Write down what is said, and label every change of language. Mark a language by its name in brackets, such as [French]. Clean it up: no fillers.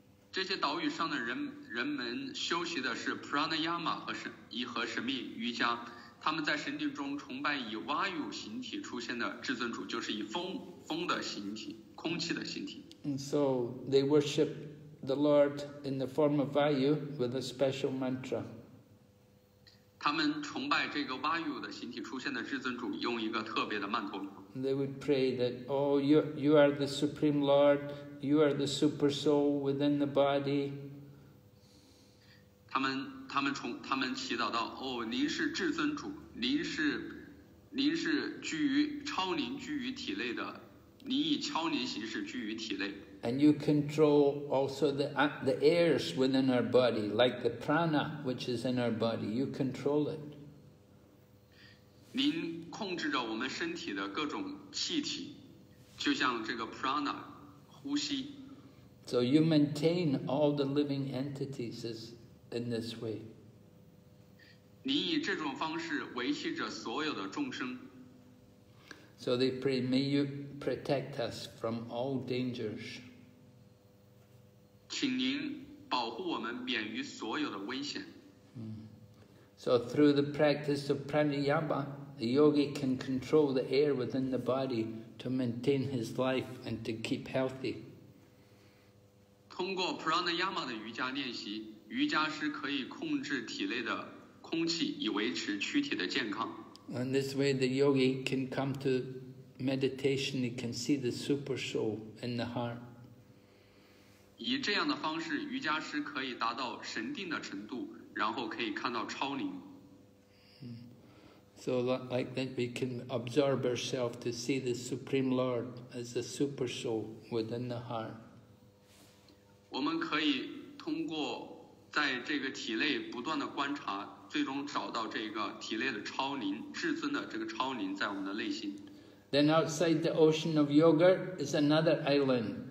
[Chinese] 这些岛屿上的人们修习的是 pranayama 和神秘瑜伽，他们在神殿中崇拜以 Vayu 形体出现的至尊主，就是以风的形体，空气的形体。 [English] And so they worship the Lord in the form of Vayu with a special mantra. [Chinese] 他们崇拜这个 Vayu 的形体出现的至尊主，用一个特别的曼陀罗。 [English] They would pray that, oh, you are the Supreme Lord, you are the Super Soul within the body. [Chinese] 他们祈祷到，哦，您是至尊主，您是居于超灵居于体内的，您以超灵形式居于体内。 [English] And you control also the airs within our body, like the prana which is in our body. You control it. [Chinese] 您控制着我们身体的各种气体，就像这个 prana, 呼吸。 [English] So you maintain all the living entities in this way. [Chinese] 您以这种方式维系着所有的众生。 [English] So they pray, may you protect us from all dangers. [Chinese] 请您保护我们免于所有的危险。 [English] So through the practice of pranayama, the yogi can control the air within the body to maintain his life and to keep healthy. [Chinese] 通过 pranayama 的瑜伽练习，瑜伽师可以控制体内的空气，以维持躯体的健康。 [English] And this way, the yogi can come to meditation. He can see the super soul in the heart. [Chinese] 以这样的方式，瑜伽师可以达到神定的程度，然后可以看到超灵。 [English] So like that, we can absorb ourselves to see the Supreme Lord as the super soul within the heart. [Chinese] 我们可以通过在这个体内不断的观察，最终找到这个体内的超灵，至尊的这个超灵在我们的内心。 [English] Then outside the ocean of yogurt is another island.